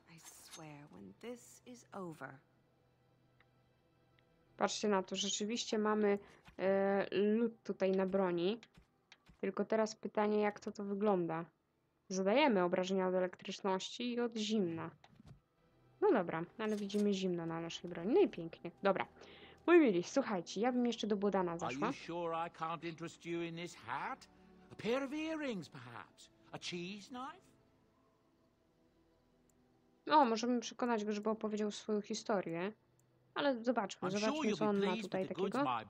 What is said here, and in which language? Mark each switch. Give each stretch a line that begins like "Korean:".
English: I swear, when this is over.
Polish: Patrzcie na to, rzeczywiście mamy lód tutaj na broni. Tylko teraz pytanie, jak to wygląda. Zadajemy obrażenia od elektryczności i od zimna. No dobra, ale widzimy zimno na naszej broni. No i pięknie. Dobra. Mój mili, słuchajcie, ja bym jeszcze do Bodana zaszła.
English: Are you sure I can't interest you in this hat? A pair of earrings, perhaps? A cheese knife?
Polish: No, możemy przekonać go, żeby opowiedział swoją historię. Ale zobaczmy, co on ma tutaj takiego.